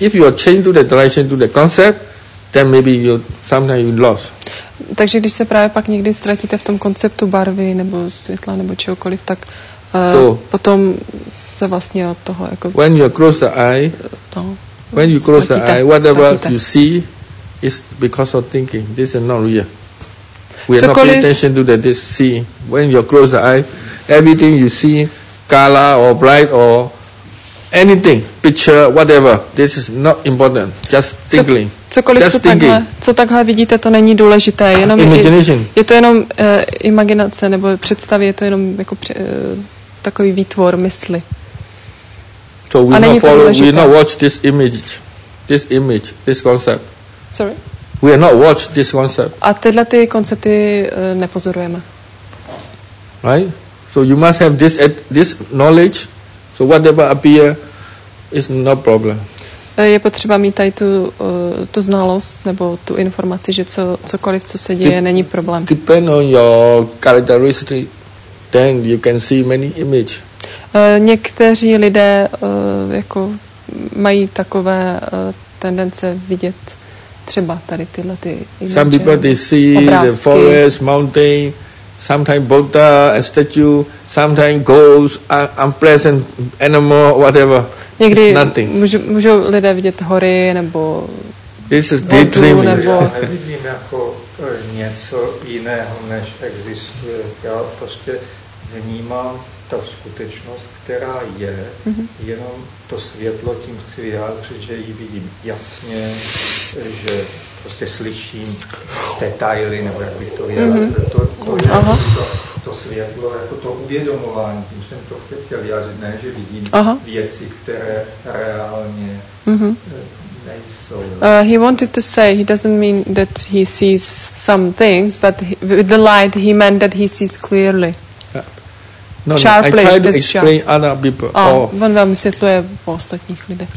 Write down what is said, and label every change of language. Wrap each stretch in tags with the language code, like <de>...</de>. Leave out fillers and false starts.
<en>If you change to the direction to the concept, then maybe you sometimes you lost.</en> <cs>Takže když se právě pak někdy ztratíte v tom konceptu barvy nebo světla nebo čehokoliv, tak potom se vlastně od toho jako</cs> <en>when you close the eye, when you close the eye, whatever you see is because of thinking. This is not real. We are not paying attention to that. This see when you close the eye, everything you see, color or bright or anything, picture, whatever. This is not important. Just thinking.</en> <cs>Cokoliv, co takhle vidíte, to není důležité. Jenom je to jenom imaginace nebo představy, je to jenom jako takový výtvor mysli.</cs> <en>So we</en> <cs>a není</cs> <en>not follow,</en> <cs>to důležité.</cs> <en>We not watch this image, this concept. Sorry? We not watch this concept.</en> <cs>A tyhle ty koncepty nepozorujeme.</cs> <en>Right? So you must have this knowledge, so whatever appear is no problem.</en> <cs>Je potřeba mít tady tu znalost nebo tu informaci, že cokoliv, co se děje, není problém.</cs> <en>Depend on your characteristic, then you can see many image.</en> <cs>Někteří lidé jako mají takové tendence vidět třeba tady tyhle ty image.</cs> <en>Some people they see</en> <cs>obrázky.</cs> <en>The forest, mountain, sometimes Buddha, a statue, sometimes ghost, unpleasant animal, whatever.</en> <cs>Někdy můžou lidé vidět hory nebo vodu, nebo... Já nevidím jako něco jiného, než existuje. Já prostě vnímám ta skutečnost, která je, jenom to světlo tím chci vyjádřit, že ji vidím jasně, že prostě slyším detaily, nebo jak bych to vyjádřil. To světlo, jako to uvědomování, tím jsem to chtěl vyjádřit, ne, že vidím věci, které reálně nejsou.</cs> <en>He wanted to say, he doesn't mean that he sees some things, but with the light he meant that he sees clearly. No, sharply, no, I try to explain sharp. Other people.</en> <cs>On vám vysvětluje o ostatních lidech.</cs>